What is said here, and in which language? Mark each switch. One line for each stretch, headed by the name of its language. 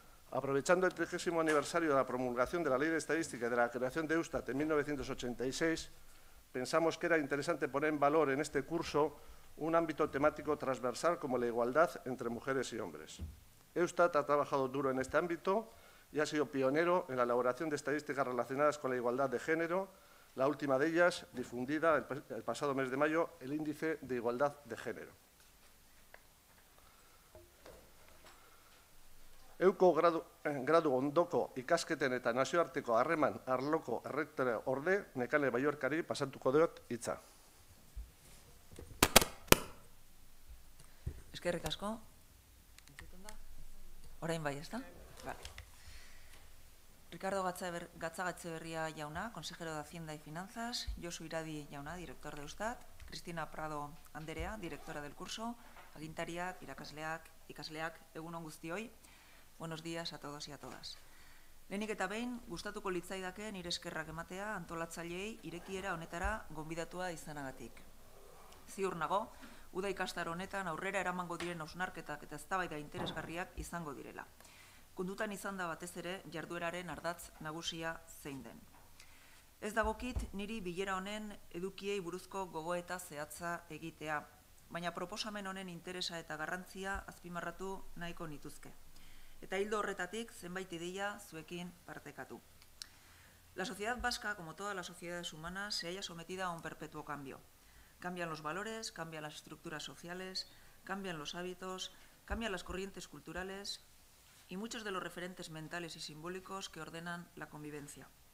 Spanish: Aprovechando el 30º aniversario de la promulgación de la Ley de Estadística y de la creación de Eustat en 1986, pensamos que era interesante poner en valor en este curso un ámbito temático transversal como la igualdad entre mujeres y hombres. Eustat ha trabajado duro en este ámbito y ha sido pionero en la elaboración de estadísticas relacionadas con la igualdad de género, la última de ellas difundida el pasado mes de mayo, el Índice de Igualdad de Género.
Basque: Euko gradu ondoko ikasketen eta nazioarteko harreman arloko errektore orde Nekane Baiorkari pasatuko dut hitza. Eskerrik asko. Orain bai, ezta? Vale. Ricardo Gatzagaetxebarria jauna,
Spanish: consejero de Hacienda y Finanzas,
Basque: Josu Iradi jauna,
Spanish: director de Eustat,
Basque: Cristina Prado Anderea,
Spanish: directora del curso,
Basque: agintariak, irakasleak, ikasleak, egunon guztioi.
Spanish: Buenos días a todos y a todas.
Basque: Lehenik eta behin, gustatuko litzaidake nire eskerrak ematea antolatzaileei irekiera honetara gonbidatua izanagatik. Ziur nago, uda ikastaro honetan aurrera eramango diren ausnarketak eta eztabaida interesgarriak izango direla. Kundutan izan da batez ere jardueraren ardatz nagusia zein den. Ez dagokit niri bilera honen edukiei buruzko gogoeta zehatza egitea, baina proposamen honen interesa eta garrantzia azpimarratu nahiko nituzke. Eta hildo horretatik zenbait ideia zuekin partekatu.
Spanish: La sociedad vasca, como todas las sociedades humanas, se halla sometida a un perpetuo cambio. Cambian los valores, cambian las estructuras sociales, cambian los hábitos, cambian las corrientes culturales y muchos de los referentes mentales y simbólicos que ordenan la convivencia.